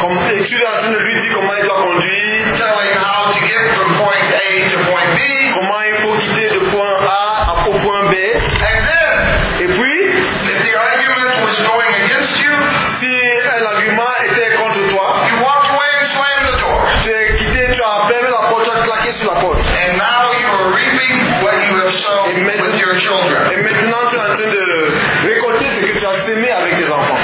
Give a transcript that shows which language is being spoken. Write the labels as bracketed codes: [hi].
[fr] Comme tu es en train de lui dire comment il doit conduire. [en] Telling how to get from point A to point B. [fr] Comment il faut quitter de point A au point B. [en] And then, [fr] et puis, [en] if the argument was going against you, [fr] si l'argument était contre toi, [en] you walked away and slammed the door. [fr] Tu as quitté, tu as fermé la porte, tu as claqué sur la porte. [en] And now you are reaping what you have sown with your children. [fr] Et maintenant tu es en train de récolter ce que tu as semé avec tes enfants.